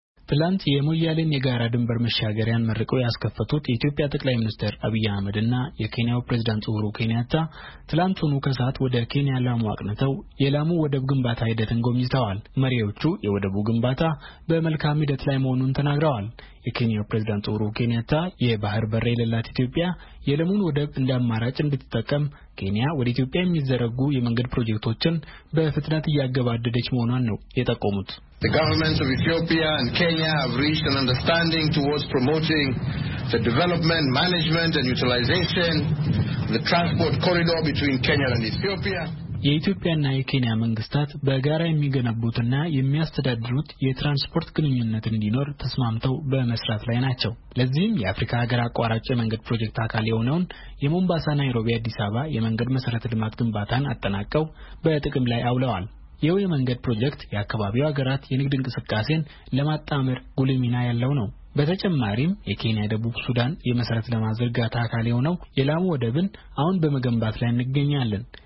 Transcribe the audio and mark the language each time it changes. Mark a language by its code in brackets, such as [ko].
[am] ትላንት የሞያሌን የጋራ ድንበር መሻገሪያን መርቀው ያስከፈቱት የኢትዮጵያ ጠቅላይ ሚኒስትር አብይ አህመድ እና የኬንያው ፕሬዝዳንት ኡሁሩ ኬንያታ ትላንት ሆኖ ከሰዓት ወደ ኬንያ ላሙ አቅንተው የላሙ ወደብ ግንባታ ሂደትን ጎብኝተዋል። መሪዎቹ የወደቡ ግንባታ በመልካም ሂደት ላይ መሆኑን ተናግረዋል። የኬንያ ፕሬዝዳንት ኡሁሩ ኬንያታ የባህር በር የሌላት ኢትዮጵያ የለሙን ወደብ እንዳማራጭ እንድትጠቀም ኬንያ ወደ ኢትዮጵያ የሚዘረጉ የመንገድ ፕሮጀክቶችን በፍጥነት ያገባደደች መሆኗን ነው የጠቆሙት። [en] The governments of Ethiopia and Kenya have reached an understanding towards promoting the development, management and utilization of the transport corridor between Kenya and Ethiopia. [am] የኢትዮጵያና የኬንያ መንግስታት በጋራ የሚገነቡትና የሚያስተዳድሩት የትራንስፖርት ግንኙነትን እንዲኖር ተስማምተው በመስራት ላይ ናቸው። ለዚህም የአፍሪካ ሀገር አቋራጭ የመንገድ ፕሮጀክት አካል የሆነውን የሞምባሳ ናይሮቢ አዲስ አበባ የመንገድ መሰረተ ልማት ግንባታን አጠናቀው በጥቅም ላይ አውለዋል። ይህ የመንገድ ፕሮጀክት የአካባቢው ሀገራት የንግድ እንቅስቃሴን ለማጣመር ጉልህ ሚና ያለው ነው። በተጨማሪም የኬንያ ደቡብ ሱዳን የመሰረተ ልማት ዝርጋታ አካል የሆነው የላሙ ወደብን አሁን በመገንባት ላይ እንገኛለን።